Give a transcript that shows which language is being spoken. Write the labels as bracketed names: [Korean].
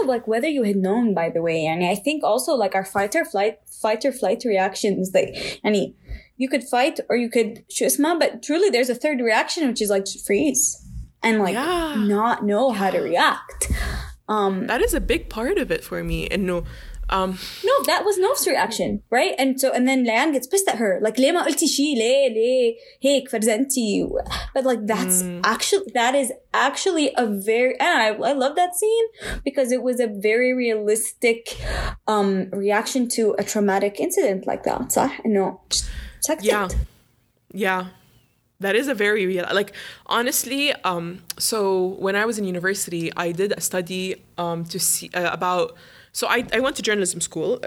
[English] Regardless of like whether you had known, by the way, and I think also like our fight or flight reactions, like, any, you could fight or you could shusma, but truly there's a third reaction, which is like freeze and like not know how to react. That is a big part of it for me. And no, that was Nof's reaction, right? And then Layan gets pissed at her. Like, [Arabic] ليه ما قلتي شي, ليه هيك فرزنتي. [English] But like, that is actually a very, and I love that scene because it was a very realistic reaction to a traumatic incident like that. صح? No, check it. Yeah. That is a very real, like, honestly, so when I was in university, I did a study about, so I went to journalism school.